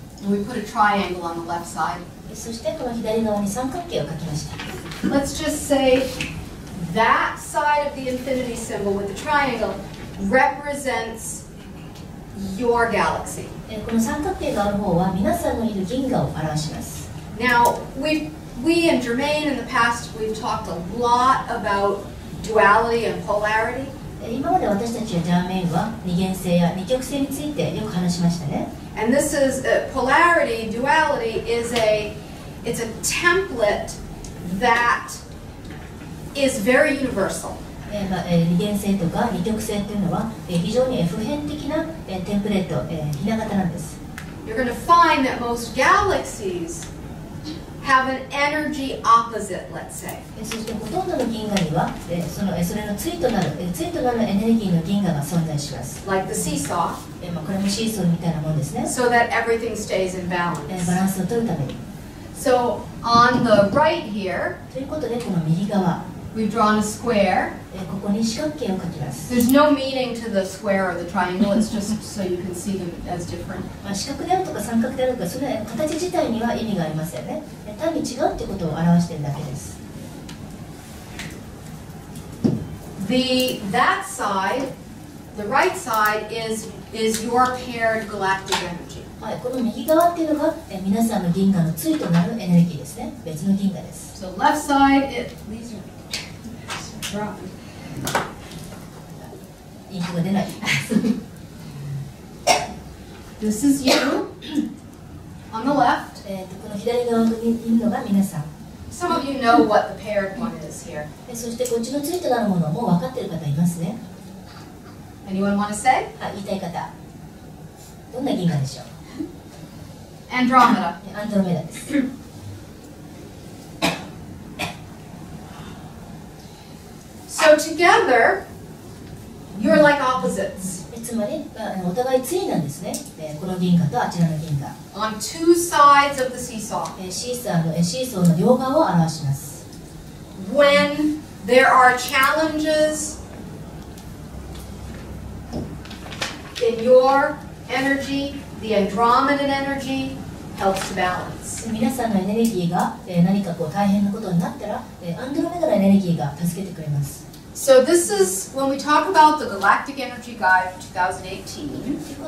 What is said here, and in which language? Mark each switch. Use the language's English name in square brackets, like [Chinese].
[English] We put a triangle on the left side. [Japanese] そしてこの左側に三角形を描きました。 [English] Let's just say that side of the infinity symbol with the triangle represents your galaxy. [Japanese] この三角形がある方は皆さんのいる銀河を表します。 [English] Now, we and Germaine in the past, we've talked a lot about duality and polarity. [Japanese] 今まで私たちやジャーメインは二元性や二極性についてよく話しましたね。 [English] And this is polarity, duality is a it's a template that is very universal. [Japanese] 二元性とか二極性というのは非常に普遍的なテンプレート、ひな型なんです。 [English] You're going to find that most galaxies have an energy opposite, let's say. [Japanese] そしてほとんどの銀河には、それの対となる、対となるエネルギーの銀河が存在します。 [English] Like the seesaw. [Japanese] まあこれもシーソーみたいなものですね。 [English] So that everything stays in balance. [Japanese] バランスを取るために。 [English] So on the right here. [Japanese] ということでこの右側。 [English] We've drawn a square. [Japanese] ここに四角形を描きます。 [English] There's no meaning to the square or the triangle, it's just so you can see them as different. [Japanese] まあ四角であるとか三角であるとか、それは形自体には意味がありませんね。単に違うってことを表しているだけです。 [English] That side, the right side, is your paired galactic energy. [Japanese] はい、この右側っていうのが、皆さんの銀河の対となるエネルギーですね。別の銀河です。 [English] So left side, [Japanese] インクが出ない。 [English] This is you on the left. [Japanese] この左側にいるのが皆さん。 [English] Some of you know what the paired one is here. [Japanese] そしてこっちのついてあるものもう分かってる方いますね。 [English] Anyone want to say? [Japanese] 言いたい方。どんな銀河でしょう。 [English] Andromeda. [Japanese] アンドロメダです。 [English] So together, you're like opposites. [Japanese] つまり、お互い対なんですね。この銀河とあちらの銀河。 [English] On two sides of the seesaw. [Japanese] シーソーの両側を表します。 [English] When there are challenges in your energy, the Andromedan energy helps to balance. [Japanese] 皆さんのエネルギーが何かこう大変なことになったら、アンドロメダのエネルギーが助けてくれます。 [English] So this is when we talk about the Galactic Energy Guide 2018.